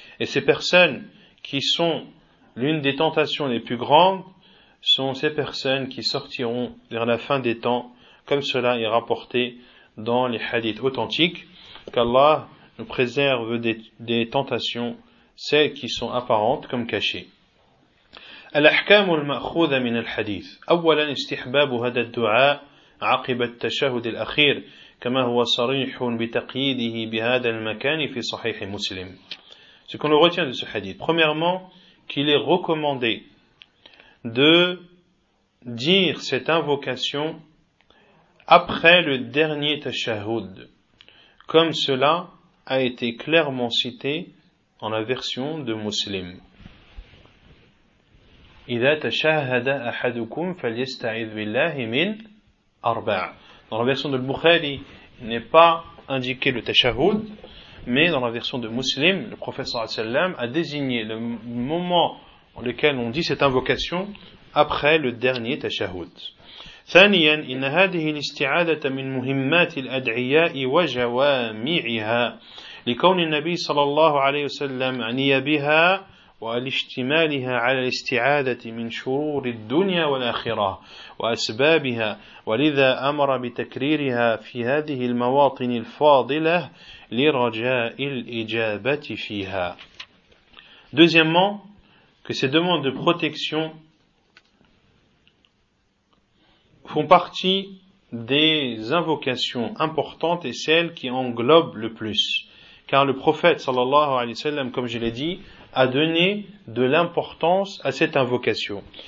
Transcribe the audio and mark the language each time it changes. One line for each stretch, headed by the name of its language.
French: Et ces personnes qui sont l'une des tentations les plus grandes sont ces personnes qui sortiront vers la fin des temps, comme cela est rapporté dans les hadiths authentiques. Qu'Allah nous préserve des tentations, celles qui sont apparentes comme cachées.
Arabic: الأحكام المأخوذة من الحديث. أولا استحباب هذا الدعاء عقب التشهد الأخير كما هو صريح بتقييده بهذا المكان في صحيح مسلم.
French: Ce qu'on retient de ce hadith. Premièrement, qu'il est recommandé de dire cette invocation après le dernier tashahhud, comme cela a été clairement cité en la version de Muslim.
Arabic: إِذَا تَشَاهَدَ أَحَدُكُمْ فَلْيَسْتَعِذْ بِاللَّهِ مِنْ أَرْبَعٍ.
French: Dans la version de Bukhari, il n'est pas indiqué le tashahhud, mais dans la version de Muslim, le prophète sallallahu alayhi wa sallam a désigné le moment dans lequel on dit cette invocation après le dernier tashahhud.
Arabic: ثانياً إن هذه الاستعادة من مهمات الأدعياء وجوامعها لكون النبي صلى الله عليه وسلم عني بها والاشتمالها على الاستعادة من شرور الدنيا والآخرة وأسبابها ولذا أمر بتكريرها في هذه المواطن الفاضلة لرجاء الإجابة فيها.
French: Deuxièmement, que ces demandes de protection font partie des invocations importantes et celles qui englobent le plus. Car le prophète, sallallahu alayhi wa sallam, comme je l'ai dit, a donné de l'importance à cette invocation.